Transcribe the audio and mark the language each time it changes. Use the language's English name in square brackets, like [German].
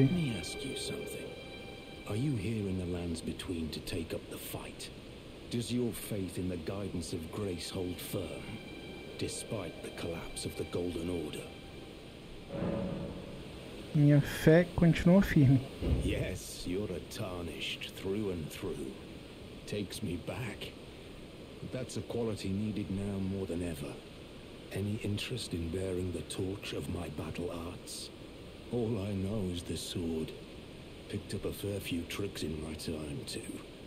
[English] Let me ask you something. Are you here in the lands between to take up the fight? Does your faith in the guidance of grace hold firm despite the collapse of the Golden Order? [Portuguese] Minha fé continua firme. [English] Yes, you're a tarnished through and through. Takes me back. But that's a quality needed now more than ever. Any interest in bearing the torch of my battle arts? All I know is the sword. Picked up a fair few tricks in my time too.